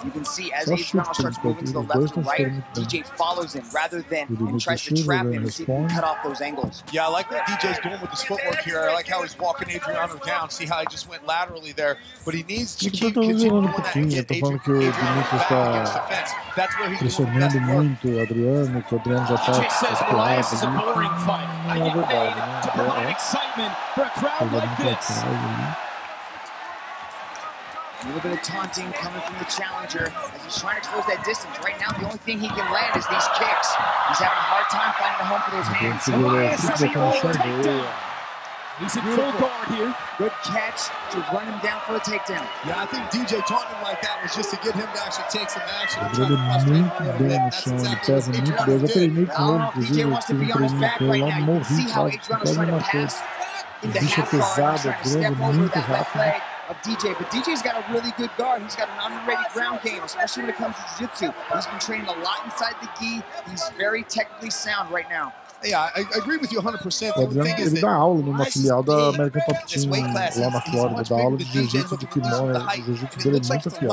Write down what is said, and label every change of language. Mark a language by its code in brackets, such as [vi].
[en] You can see as Adriano starts moving to the left and right, DJ follows him rather than and tries to trap him to see if he can cut off those angles. Yeah, I like what DJ's doing with his footwork here. I like how he's walking Adriano down. See how he just went laterally there. But he needs to keep continuing that and get Adriano back against the fence. That's where he's [pt] pressionando muito Adriano, que Adriano já tá explorado. [en] DJ says Moraes is a boring fight. I get paid to provide excitement for a crowd like this. A little bit of taunting coming from the challenger as he's trying to close that distance. Right now, the only thing he can land is these kicks. He's having a hard time finding a home for those hands. He's in full guard here. Good catch to run him down for a takedown. Yeah, I think DJ taunting him like that was just to get him to actually take some action. Of DJ, but DJ's got a really good guard. He's got an underrated ground game, especially when it comes to jiu-jitsu. He's been training a lot inside the gi. He's very technically sound right now. Yeah, I agree with you 100%. [pt] O Adriano, ele dá aula numa filial da American Top Team lá na Flórida, dá aula de jiu-jitsu de kimono, o jiu-jitsu dele é muito afiado.